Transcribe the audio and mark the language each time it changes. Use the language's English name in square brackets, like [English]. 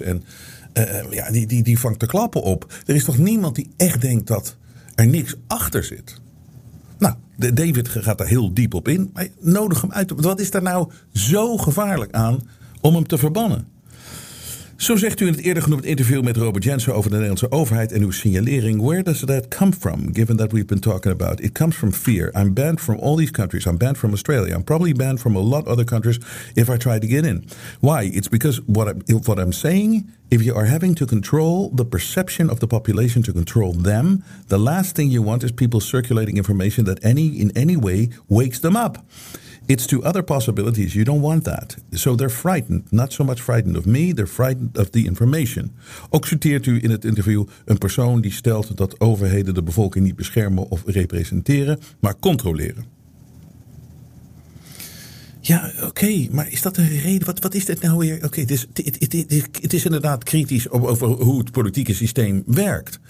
[Dutch] En die vangt de klappen op. Er is toch niemand die echt denkt dat er niks achter zit. Nou, David gaat daar heel diep op in. Maar nodig hem uit. Wat is daar nou zo gevaarlijk aan om hem te verbannen? Zo zegt u in het eerder genoemd interview met Robert Jensen over de Nederlandse overheid en uw signalering. [English] Where does that come from, given that we've been talking about? It comes from fear. I'm banned from all these countries. I'm banned from Australia. I'm probably banned from a lot of other countries if I try to get in. Why? It's because what I'm saying, if you are having to control the perception of the population to control them, the last thing you want is people circulating information that in any way wakes them up. It's to other possibilities. You don't want that. So they're frightened. Not so much frightened of me. They're frightened of the information. [Dutch] Ook citeert u in het interview een persoon die stelt dat overheden de bevolking niet beschermen of representeren, maar controleren. Ja, oké, maar is dat een reden? Wat is dit nou weer? Oké, het is inderdaad kritisch over hoe het politieke systeem werkt.